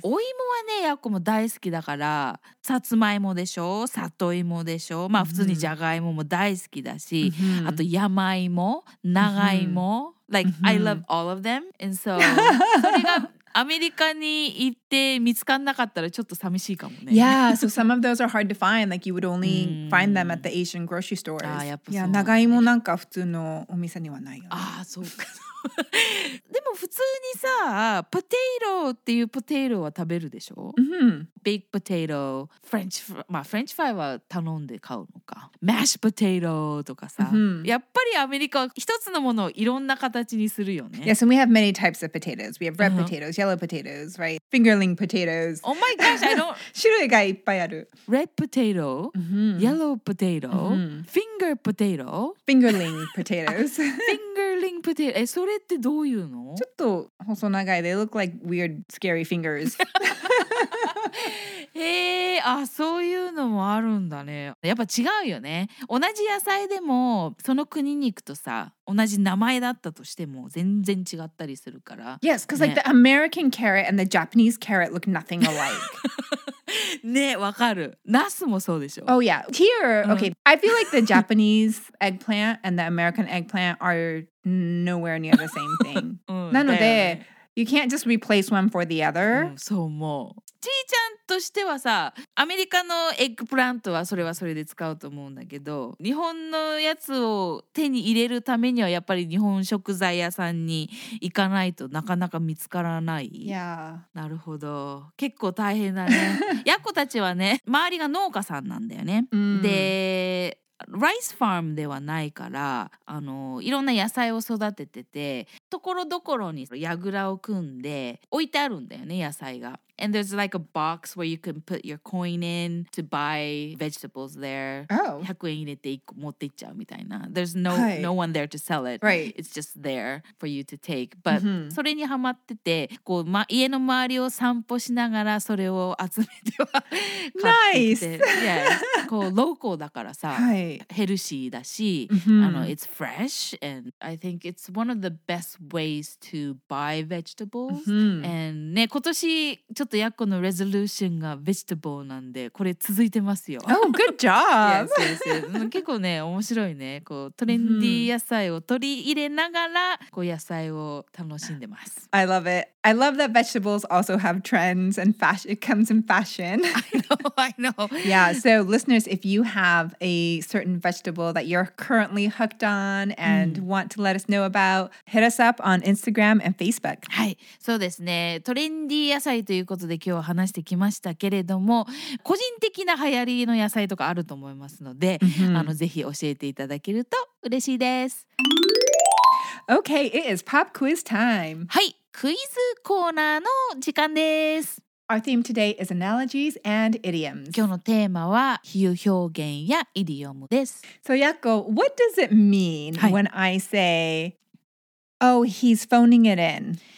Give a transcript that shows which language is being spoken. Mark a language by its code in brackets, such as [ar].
[ja] お芋はね、やっこも大好きだから、さつまいもでしょ、里芋でしょ、まあ普通にじゃがいもも大好きだし、mm-hmm. あと山芋、長芋、 [en] mm-hmm. like mm-hmm. I love all of them. And so, [ja] それがアメリカに行って見つかんなかったらちょっと寂しいかもね。 [en] Yeah, so some of those are hard to find. Like you would only find them at the Asian grocery stores. [ja] ああ、やっぱそう。いや、長芋なんか普通のお店にはないよ、ね。ああ、そうか。でも普通にさ、ポテイロっていうポテイロは食べるでしょ、 mm-hmm. ビッグポテイロ、フレンチフライ、まあフレンチフライは頼んで買うのか。マッシュポテイロとかさ、 mm-hmm. やっぱりアメリカは一つのものをいろんな形にするよね。 [en] Yes, and we have many types of potatoes. We have red potatoes, yellow potatoes, right? Fingerling potatoes. Oh my gosh, I don't... [ja] 種類がいっぱいある。 [en] Red potato,、 mm-hmm. yellow potato,、 mm-hmm. finger potato. Fingerling potatoes. Fingerling potato. [ja] え、それってどういうの？ちょっと細長い。 [en] They look like weird, scary fingers. [ja] へえ、あ、そういうのもあるんだね。やっぱ違うよね。同じ野菜でもその国に行くとさ、同じ名前だったとしても全然違ったりするから。 [en] Yes, because、ね、like the American carrot and the Japanese carrot look nothing alike. [ja] ね、わかる。ナスもそうでしょ。 [en] Oh yeah. Here, okay.、うん、I feel like the Japanese eggplant and the American eggplant are nowhere near the same thing. 、 [ja] うん、なので、ね、 [en] you can't just replace one for the other.、 [ja] うん、そう思う。ちーちゃんとしてはさ、アメリカのエッグプラントはそれはそれで使うと思うんだけど、日本のやつを手に入れるためにはやっぱり日本食材屋さんに行かないとなかなか見つからない。いや、なるほど。結構大変だね。ヤコたちはね、周りが農家さんなんだよね。うん、で、ライスファームではないから、あのいろんな野菜を育ててて、ところどころに櫓を組んで置いてあるんだよね、野菜が。 [en] And there's like a box where you can put your coin in to buy vegetables there. Oh. [ja] 100円入れて持っていっちゃうみたいな。 [en] There's no,、はい、no one there to sell it. Right. It's just there for you to take. But、mm-hmm. [ja] それにハマってて、こう、ま、家の周りを散歩しながらそれを集めては買ってきて。 [en] Nice! Yeah. [ja] こう、ローコーだからさ、はい、ヘルシーだし、 mm-hmm. あの、 [en] it's fresh. And I think it's one of the best ways to buy vegetables.、 Mm-hmm. [ja] And ね、今年ちょっとヤッコのレゾリューションがベジタブルなんでこれ続いてますよ。 [en] Oh, good job! yes, yes, yes. [ja] 結構ね面白いね。こうトレンディー野菜を取り入れながらこう野菜を楽しんでます。 [en] I love it. I love that vegetables also have trends and fashion. It comes in fashion. I know. Yeah, so listeners, if you have a certain vegetable that you're currently hooked on and want to let us know about, hit us up on Instagram and Facebook. [ja] はい、そうですね。トレンディー野菜というということで今日話してきましたけれども、個人的な流行りの野菜とかあると思いますので、 mm-hmm. あのぜひ教えていただけると嬉しいです。 [en] Okay, it is pop quiz time. [ja] はい、クイズコーナーの時間です。 [en] Our theme today is analogies and idioms. [ja] 今日のテーマは比喩表現やイディオムです。 [en] So Yakko, what does it mean、はい、when I say Oh, he's phoning it in.